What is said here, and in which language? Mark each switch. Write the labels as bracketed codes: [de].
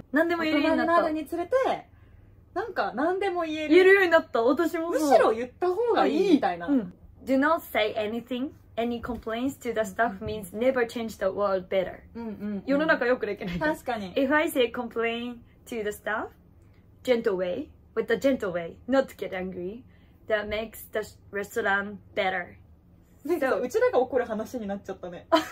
[ja] 何でも言えるようになった。大人になるにつれて、なんか何でも言える。言えるようになった、私もそう。むしろ言った方がいいみたいな。 [en] Do not say anything. Any complaints to the staff means never change the world better. [ja] 世の中よくできない。確かに。 [en] If I say complain to the staff, gentle way,With a gentle way, not to get angry, that makes the restaurant better. So, [ja] うちらが怒る話になっちゃったね。